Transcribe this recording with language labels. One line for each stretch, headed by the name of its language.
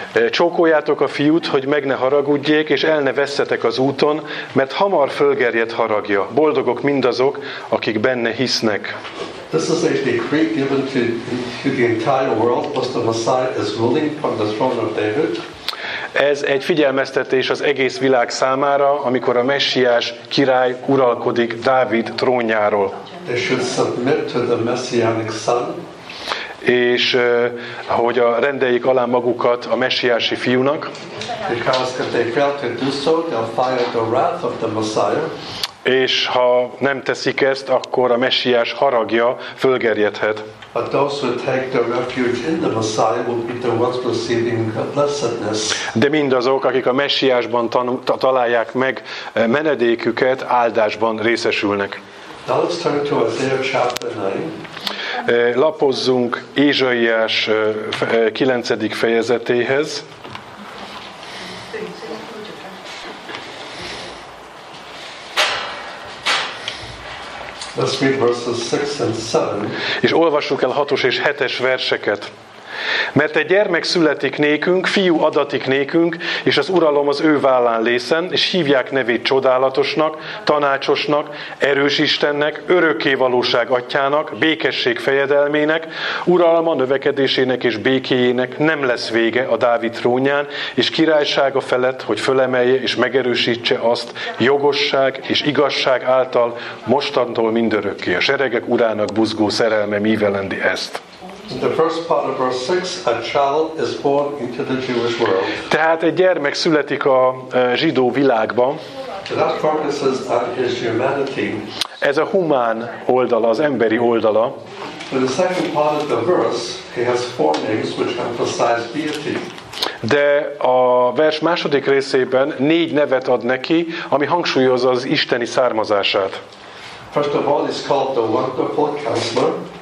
Hungarian: Csókoljátok a fiút, hogy meg ne haragudjék, és el ne vesszetek az úton, mert hamar fölgerjed haragja. Boldogok mindazok, akik benne hisznek.
English: This is a decree given to the entire world, as the Messiah is ruling from the throne of David.
Hungarian: Ez egy figyelmeztetés az egész világ számára, amikor a messiás király uralkodik Dávid trónjáról.
English: They should submit to the messianic son.
Hungarian: És hogy a rendeljék alá magukat a messiási fiúnak.
English: Because if they fail to do so, they'll fire the wrath of the Messiah.
Hungarian: És ha nem teszik ezt, akkor a messiás haragja fölgerjedhet.
English: But those who take the refuge in the Messiah will be the ones receiving blessedness.
Hungarian: De mindazok, akik a messiásban találják meg menedéküket, áldásban részesülnek.
English: Now let's turn to Isaiah chapter 9.
Hungarian: Lapozzunk Ézsaiás 9. fejezetéhez.
English: Let's read verses 6 and 7.
Hungarian: És olvassuk el 6-os és 7-es verseket. Mert egy gyermek születik nékünk, fiú adatik nékünk, és az uralom az ő vállán lészen, és hívják nevét csodálatosnak, tanácsosnak, erős Istennek, örökké valóság atyának, békesség fejedelmének, uralma növekedésének és békéjének nem lesz vége a Dávid trónján, és királysága felett, hogy fölemelje és megerősítse azt jogosság és igazság által mostantól mindörökké. A seregek urának buzgó szerelme mivelendi ezt.
English: In the first part of verse 6, a child is born into the Jewish world.
Hungarian: Tehát egy gyermek születik a zsidó világban.
English: That focuses on his humanity.
Hungarian: Ez a humán oldala, az emberi oldala.
English: In the second part of the verse, he has four names which emphasize deity.
Hungarian: De a vers második részében négy nevet ad neki, ami hangsúlyozza az isteni származását.
English: First of all, he's called the Wonderful Counselor.